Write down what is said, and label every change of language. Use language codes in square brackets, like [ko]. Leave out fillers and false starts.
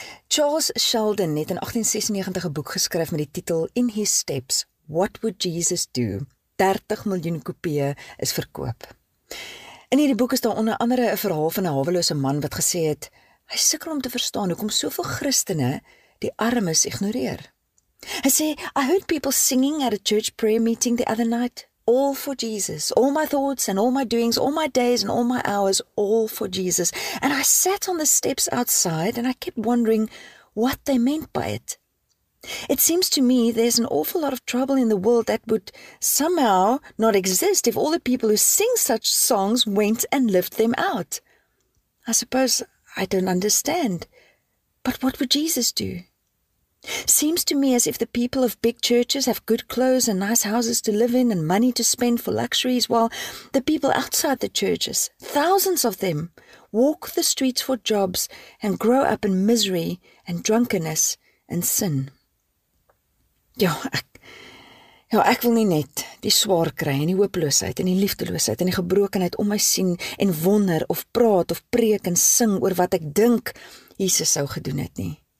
[af] Charles Sheldon het in 1896 'n boek geskryf met die titel In His Steps, What Would Jesus Do? 30 miljoen kopieë is verkoop. In hierdie boek is daar onder andere 'n verhaal van 'n hawelose man wat gesê het, hy sukkel om te verstaan hoekom soveel Christene die armes ignoreer. Hy sê, [en] I heard people singing at a church prayer meeting the other night, all for Jesus, all my thoughts and all my doings, all my days and all my hours, all for Jesus. And I sat on the steps outside and I kept wondering what they meant by it. It seems to me there's an awful lot of trouble in the world that would somehow not exist if all the people who sing such songs went and lived them out. I suppose I don't understand. But what would Jesus do? Seems to me as if the people of big churches have good clothes and nice houses to live in and money to spend for luxuries, while the people outside the churches, thousands of them, walk the streets for jobs and grow up in misery and drunkenness and sin. [af] Ja, ek wil nie net die swaar kry en die hooploosheid en die liefdeloosheid en die gebrokenheid om my sien en wonder of praat of preek en sing oor wat ek dink Jesus sou gedoen het nie.